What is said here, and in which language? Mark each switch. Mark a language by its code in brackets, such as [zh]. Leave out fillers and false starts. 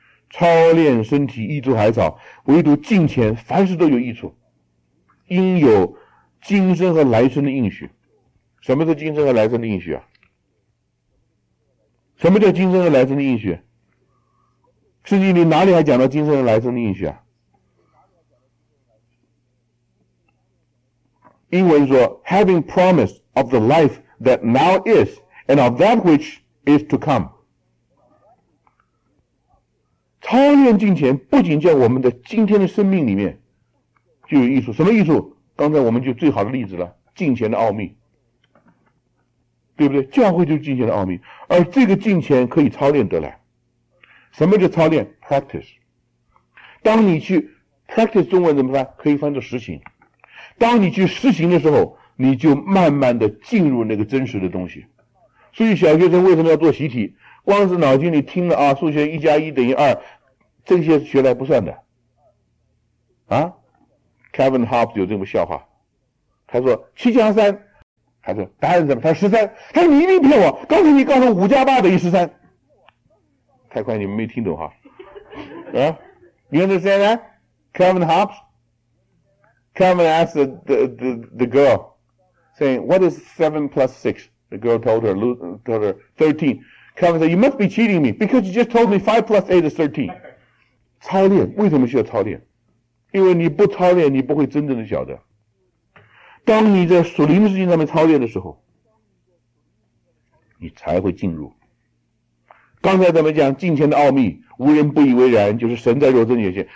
[zh] 操练身体益处还少，唯独敬虔凡事都有益处，应有今生和来生的应许。什么是今生和来生的应许啊？什么叫今生和来生的应许？圣经里哪里还讲到今生和来生的应许啊？英文说 [en] having promise of the life that now is and of that which is to come。 [zh] 超越近前不仅叫我们的今天的生命里面就有益处，什么益处？刚才我们就最好的例子了，近前的奥秘，对不对？教会就是近前的奥秘，而这个近前可以操练得来。什么叫操练 ？Practice。当你去 practice， 中文怎么翻？可以翻作实行。当你去实行的时候，你就慢慢的进入那个真实的东西。所以小学生为什么要做习题？光是脑筋里听了啊，数学一加一等于二，这些学来不算的。啊 ，Kevin Hobbs 有这么笑话，他说七加三。他说答案怎么？他说13。他说你一定骗我，刚才你告诉5+8=13，太快你们没听懂哈。啊，你看这谁呢 ？Kevin Hobbs。 [en] Kevin asked the girl, saying, "What is 7+6?" The girl told her 13. Kevin said, "You must be cheating me because you just told me 5+8=13." [zh] 操练，为什么需要操练？因为你不操练，你不会真正的晓得。当你在属灵的事情上面操练的时候，你才会进入。刚才咱们讲近前的奥秘，无人不以为然，就是神在肉身显现。